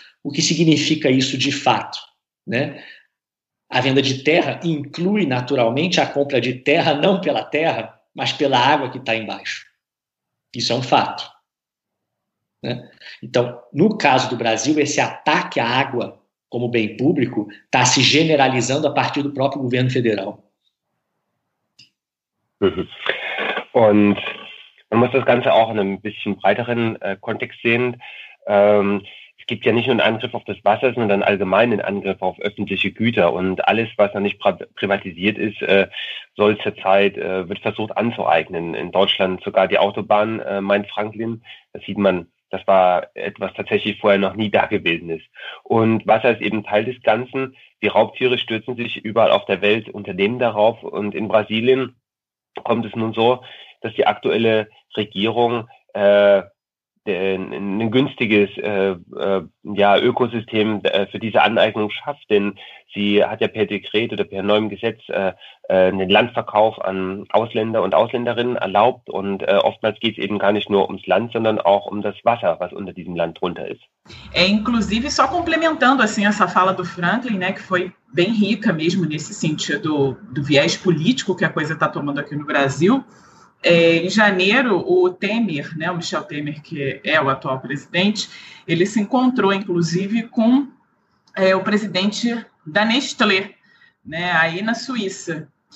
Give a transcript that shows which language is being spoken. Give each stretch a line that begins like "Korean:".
Portuguese: O que significa isso de fato, né? A venda de terra inclui, naturalmente, a compra de terra não pela terra, mas pela água que está embaixo. Isso é um fato, né? Então, no caso do Brasil, esse ataque à água como bem público está se generalizando a partir do próprio governo federal.
German: Und man muss das Ganze auch in einem bisschen breiteren Kontext sehen. Es gibt ja nicht nur einen Angriff auf das Wasser, sondern allgemein einen Angriff auf öffentliche Güter. Und alles, was noch nicht privatisiert ist, soll zurzeit, wird versucht anzueignen. In Deutschland sogar die Autobahn, meint Franklin. Das sieht man, das war etwas tatsächlich vorher noch nie da gewesen ist. Und Wasser ist eben Teil des Ganzen. Die Raubtiere stürzen sich überall auf der Welt, Unternehmen darauf. Und in Brasilien kommt es nun so, dass die aktuelle Regierung ein günstiges Ökosystem für diese Aneignung schafft, denn sie hat ja per Dekret oder per neuem Gesetz den Landverkauf an Ausländer und Ausländerinnen erlaubt, und oftmals geht es eben gar nicht nur ums Land, sondern auch um das Wasser, was unter diesem Land drunter ist.
Portuguese: Inclusive, só complementando assim essa fala do Franklin, né, que foi bem rica mesmo nesse sentido do viés político que a coisa está tomando aqui no Brasil. Em janeiro, o Temer, né, o Michel Temer, que é o atual presidente, ele se encontrou, inclusive, com o presidente da Nestlé, né, aí na Suíça.